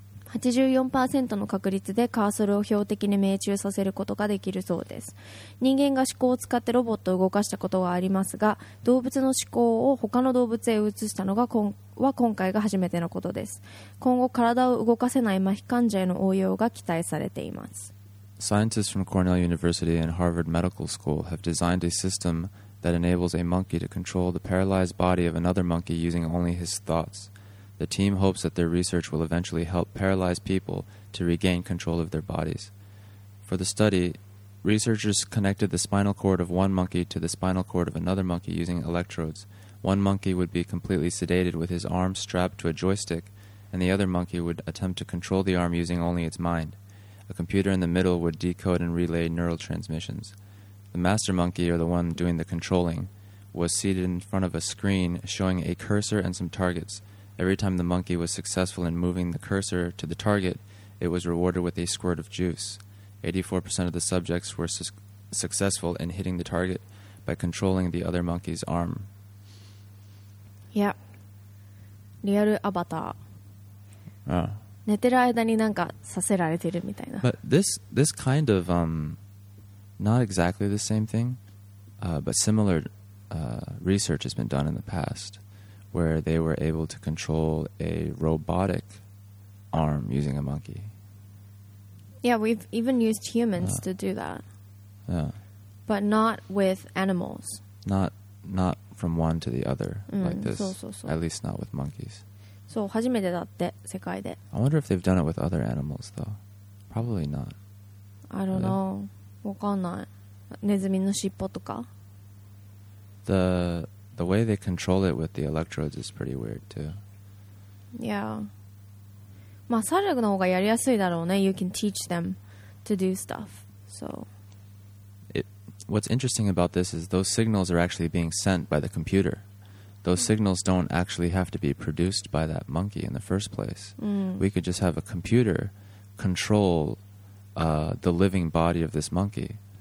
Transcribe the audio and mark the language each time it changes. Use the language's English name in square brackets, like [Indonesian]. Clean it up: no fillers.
[Japanese] 84% の確率でカーソルを標的に命中させることができるそうです。人間が思考を使ってロボットを動かしたことはありますが、動物の思考を他の動物へ移したのが今回が初めてのことです。今後、体を動かせない麻痺患者への応用が期待されています。 [English] Scientists from Cornell University and Harvard Medical School have designed a system that enables a monkey to control the paralyzed body of another monkey using only his thoughts. The team hopes that their research will eventually help paralyzed people to regain control of their bodies. For the study, researchers connected the spinal cord of one monkey to the spinal cord of another monkey using electrodes. One monkey would be completely sedated with his arm strapped to a joystick, and the other monkey would attempt to control the arm using only its mind. A computer in the middle would decode and relay neural transmissions. The master monkey, or the one doing the controlling, was seated in front of a screen showing a cursor and some targets. Every time the monkey was successful in moving the cursor to the target, it was rewarded with a squirt of juice. 84% of the subjects were successful in hitting the target by controlling the other monkey's arm. Yeah. Real avatar. Ah. [Japanese] 寝てる間になんかさせられてるみたいな。 [English] But this kind of not exactly the same thing, but similar research has been done in the past, where they were able to control a robotic arm using a monkey. Yeah, we've even used humans to do that. Yeah. But not with animals. Not from one to the other like this. At least not with monkeys. [Japanese] そう、初めてだって、世界で。 [English] I wonder if they've done it with other animals, though. Probably not. I don't know. [Japanese] わかんない。ネズミの尻尾とか？ [English] The way they control it with the electrodes is pretty weird, too. Yeah. [Japanese] まあ、猿の方がやりやすいだろうね。 [English] You can teach them to do stuff. So. What's interesting about this is those signals are actually being sent by the computer. Those signals don't actually have to be produced by that monkey in the first place. We could just have a computer control the living body of this monkey.